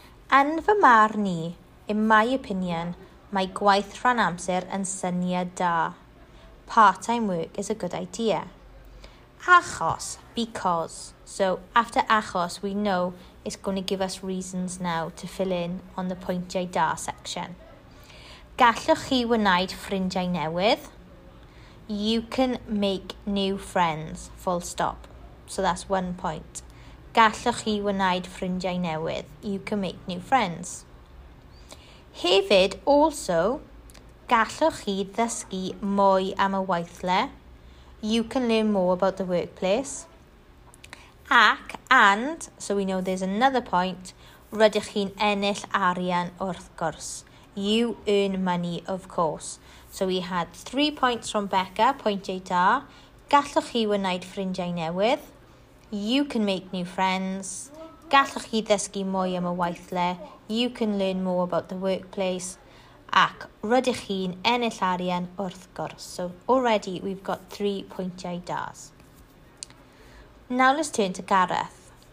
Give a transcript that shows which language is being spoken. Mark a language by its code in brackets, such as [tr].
[cy] Yn fy marn i, [en] in my opinion, [cy] mae gwaith rhan amser yn syniad da. [en] Part-time work is a good idea. [cy] Achos, [en] because. So after [cy] achos, [en] we know it's going to give us reasons now to fill in on the [cy] pwyntiau da [en] section. [cy] Gallwch chi wneud ffrindiau newydd. [en] You can make new friends, full stop. So that's one point. [cy] Gallwch chi wneud ffrindiau newydd. [en] You can make new friends. [cy] Hefyd, [en] also, [cy] gallwch chi ddysgu mwy am y weithle. [en] You can learn more about the workplace. [cy] Ac, [en] and, so we know there's another point, [cy] rydych chi'n ennill arian wrth gwrs. [en] You earn money, of course. So we had 3 points from Becca, [cy] pwyntiau da. Gallwch chi wneud ffrindiau newydd. [en] You can make new friends. [cy] Gallwch chi ddysgu mwy am y weithle. [en] You can learn more about the workplace. [cy] Ac rydych chi'n ennill arian wrth gwrs. [en] So already we've got 3 [cy] pwyntiau da's. [en] Now let's turn to Gareth.